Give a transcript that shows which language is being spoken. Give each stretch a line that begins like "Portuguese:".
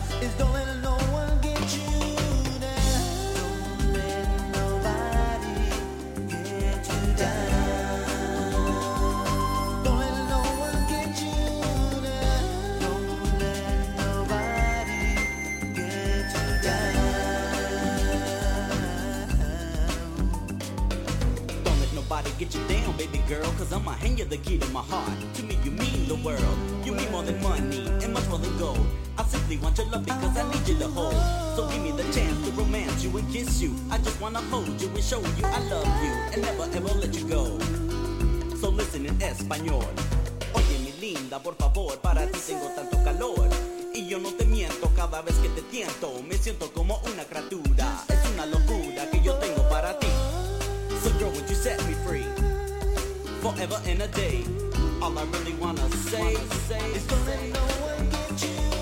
English: Is don't let get you down, baby girl, cause I'ma hand you the key to my heart. To me, you mean the world. You mean more than money and much more than gold. I simply want your love because I need you to hold. So give me the chance to romance you and kiss you. I just wanna hold you and show you I love you and never ever let you go. So listen in Espanol.
Spanish: Oye mi linda, por favor, para ti tengo tanto calor. Y yo no te miento, cada vez que te tiento me siento como una criatura. Es una locura que yo tengo para ti.
English: So girl, would you set me free? Forever in a day. All I really wanna say, is don't let no one get you.